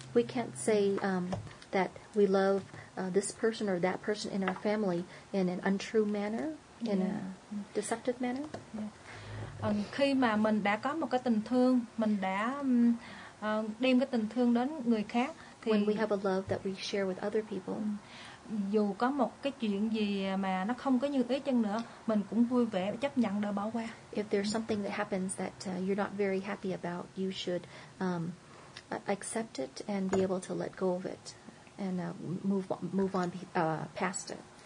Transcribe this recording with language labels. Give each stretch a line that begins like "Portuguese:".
English: We can't say that we love this person or that person in our family in an untrue manner, in a deceptive manner.
Vietnamese: Khi mà mình đã có một cái tình thương, mình đã đem cái tình thương đến người khác, thì
English: when we have a love that we share with other people,
Vietnamese: dù có một cái chuyện gì mà nó không có như ý chăng nữa, mình cũng vui vẻ chấp nhận để bỏ qua.
English: If there's something that happens that you're not very happy about, you should accept it and be able to let go of it and move on past it.